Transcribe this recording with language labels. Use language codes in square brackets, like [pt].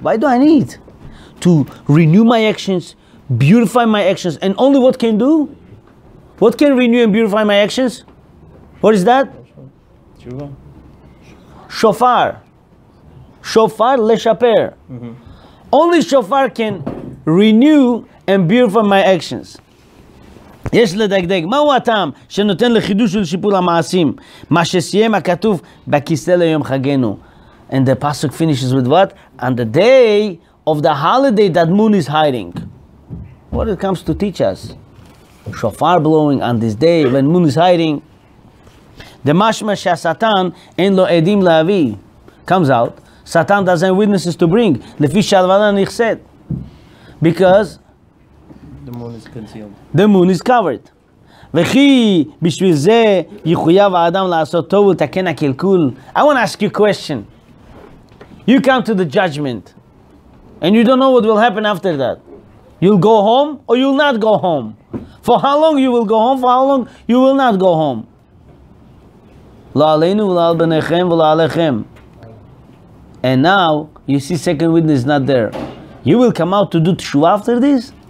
[en] Why do I need to renew my actions, beautify my actions, and only what can do? What can renew and beautify my actions? What is that? [he] Shofar. Shofar leshaper. Mm-hmm. [en] Only shofar can renew and beautify my actions. [he] יש לדגדג, מהו הטעם שנותן לחידוש ולשיפור המעשים? מה שסיים הכתוב בכיסא ליום חגנו. [en] And the pasuk finishes with what? On the day of the holiday that moon is hiding. What it comes to teach us? Shofar blowing on this day when moon is hiding. [he] The mashma שהשטן אין לו עדים להביא. [en] Comes out. Satan doesn't have witnesses to bring. [he] לפי שהלבנה נכסת. [en] Because... The moon is concealed. The moon is covered. [he] וכי בשביל זה יחויב האדם לעשות טוב ותקן הקלקול. [en] I want to ask you a question. You come to the judgment. And you don't know what will happen after that. You'll go home or you'll not go home. For how long you will go home, for how long you will not go home. [he] Lo aleinu v'lo al b'nechem v'lo alechem. [en] And now, you see second witness not there. You will come out to do teshuva after this?